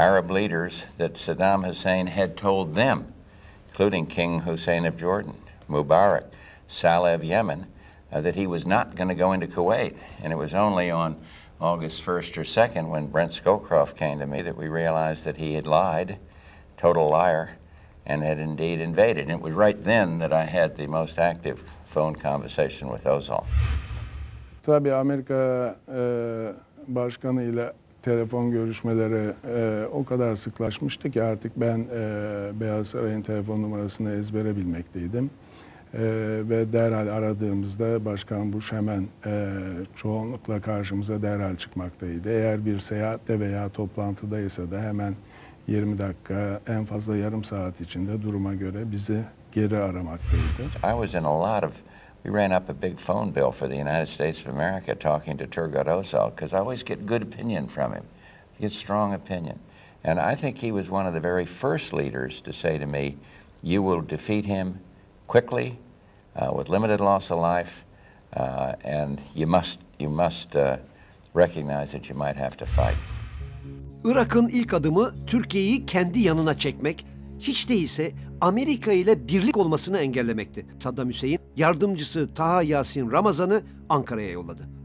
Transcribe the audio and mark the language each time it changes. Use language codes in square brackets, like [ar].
[en] Arab leaders that Saddam Hussein had told them, including King Hussein of Jordan, Mubarak, Saleh of Yemen, that he was not going to go into Kuwait. And it was only on August 1st or 2nd when Brent Scowcroft came to me that we realized that he had lied, total liar, and had indeed invaded. It was right then that I had the most active phone conversation with Özal. [tr] Tabii Amerika başkanı ile telefon görüşmeleri o kadar sıklaşmıştı ki artık ben Beyaz Saray'ın telefon numarasını ezbere bilmekteydim. Ve derhal aradığımızda Başkan Bush hemen çoğunlukla karşımıza derhal çıkmaktaydı. Eğer bir seyahatte veya toplantıdaysa da hemen 20 dakika, en fazla yarım saat içinde duruma göre bizi geri aramaktaydı. [en] I was in a lot of, we ran up a big phone bill for the United States of America talking to Turgut Özal, because I always get good opinion from him. He gets strong opinion. And I think he was one of the very first leaders to say to me, you will defeat him quickly, with limited loss of life, and you must recognize that you might have to fight. [tr] Irak'ın ilk adımı Türkiye'yi kendi yanına çekmek, hiç değilse Amerika ile birlik olmasını engellemekti. Saddam Hüseyin yardımcısı Taha Yasin Ramazan'ı Ankara'ya yolladı.